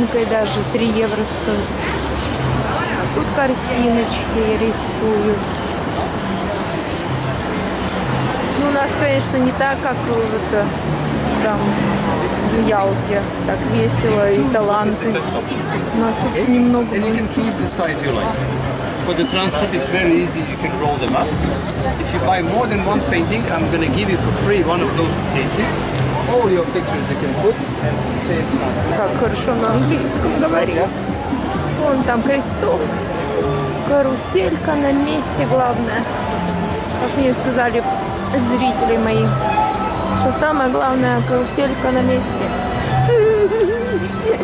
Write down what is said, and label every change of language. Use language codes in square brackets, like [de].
[ru] Даже 3 евро стоит. Тут картиночки рисую. Ну, у нас, конечно, не так, как вот там в Ялте. Так весело и таланты. У нас тут немного. [en] And you can choose the size you like. For the transport it's very easy, you can roll them up. If you buy more than one painting, I'm gonna give you for free one of those cases. All your pictures you can put. [ru] Так хорошо на английском говорит. Вон там Христов. Каруселька на месте, главное. Как мне сказали зрители мои, что самое главное — каруселька на месте.